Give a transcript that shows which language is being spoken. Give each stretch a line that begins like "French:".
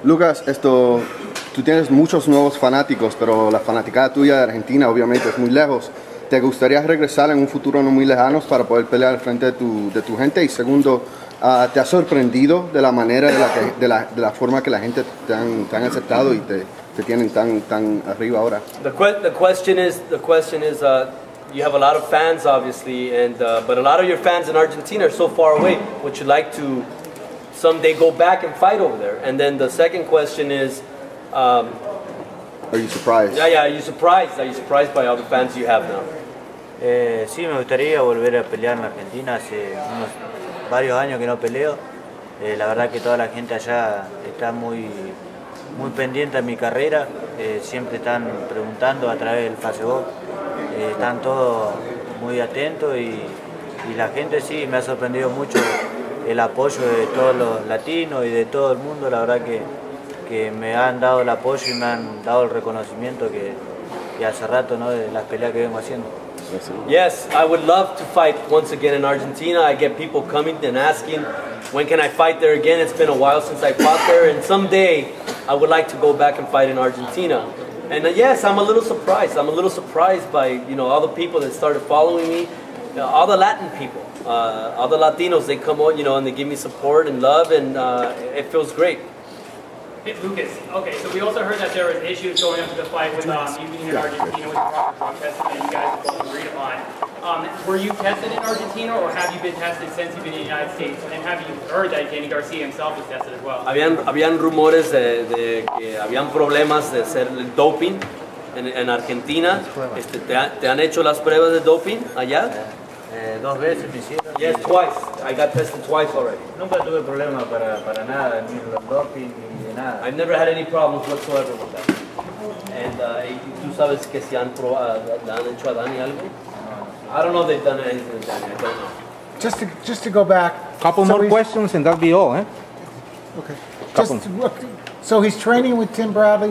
Spanish: Lucas, tú tienes muchos nuevos fanáticos, pero la fanaticada tuya de Argentina obviamente es muy lejos. ¿Te gustaría regresar en un futuro no muy lejano para poder pelear al frente de tu gente? Y segundo, ¿te ha sorprendido de la manera, de la forma que la gente te han aceptado y te tienen tan arriba ahora?
English: The question is, you have a lot of fans, obviously, but a lot of your fans in Argentina are so far away. Would you like to someday go back and fight over there? And then the second question is, Are you surprised? Yeah, are you surprised? Are you surprised by all the fans you have now?
Spanish: Sí, me gustaría volver a pelear en Argentina. Hace unos varios años que no peleo. La verdad que toda la gente allá está muy, muy pendiente de mi carrera. Siempre están preguntando a través del Facebook. Están todos muy atentos y la gente sí, me ha sorprendido mucho el apoyo de todos los latinos y de todo el mundo. La verdad que me han dado el apoyo y me han dado el reconocimiento que hace rato, ¿no?, de las peleas que vengo haciendo.
English: Yes, I would love to fight once again in Argentina. I get people coming and asking, when can I fight there again? It's been a while since I fought there, and someday I would like to go back and fight in Argentina. And yes, I'm a little surprised. I'm a little surprised by, you know, all the people that started following me, all the Latin people, all the Latinos. They come on, you know, and they give me support and love, and it feels great. Hey, Lucas, okay, so we also heard that there was issues going up to the fight with you being in Argentina with the drug testing that you guys both agreed upon. Were you tested in Argentina, or have you been tested since you've been in the United States? And have you heard that Danny Garcia himself was tested as well?
Spanish: Habían rumores de que habían problemas de hacer el doping en Argentina. ¿Te han hecho las pruebas de doping allá? Dos veces me hicieron.
English: Yes, twice. I got tested twice already.
Spanish: Nunca tuve problema para nada, ni el doping, ni de nada.
English: I've never had any problems whatsoever with that. And
Spanish: ¿tú sabes que si han hecho a Dani algo?
English: No. I don't know if they've done anything with Dani. I don't know. Just to go back. Couple more questions and that'll be all, eh? Okay. So he's training with Tim Bradley.